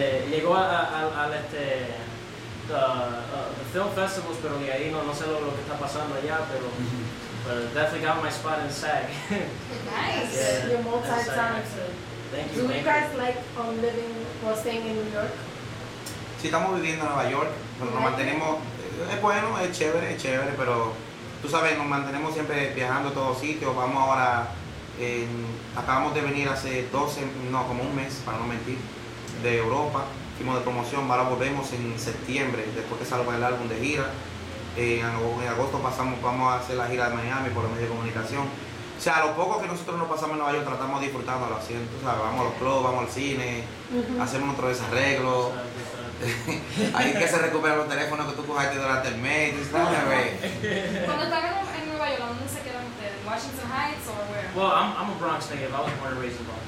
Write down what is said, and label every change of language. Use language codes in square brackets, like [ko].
[es] llegó al [en] the film festivals, [es] pero ni ahí no sé lo que está pasando allá, pero. [en] But definitely got my spot in SAG. Nice. Yeah, you're multi-talented. Thank you. Do you guys like living or staying in New York? [es] Sí, estamos viviendo en Nueva York, pero nos mantenemos. Es bueno, es chévere, pero tú sabes, nos mantenemos siempre viajando a todos sitios. Vamos ahora, acabamos de venir hace como un mes, para no mentir, de Europa. Fuimos de promoción, ahora volvemos en septiembre, después que salga el álbum de gira. En agosto vamos a hacer la gira de Miami por los medios de comunicación. O sea, lo poco que nosotros nos pasamos en Nueva York, tratamos de disfrutándolo así. O sea, vamos a los clubs, vamos al cine, hacemos otro desarreglo. Hay que se recuperan los teléfonos que tú cogiste durante el mes. Cuando estaban en Nueva York, ¿dónde se quedan ustedes? ¿Washington Heights o where? [en] Well, I'm a Bronx native. I was born and raised in Bronx.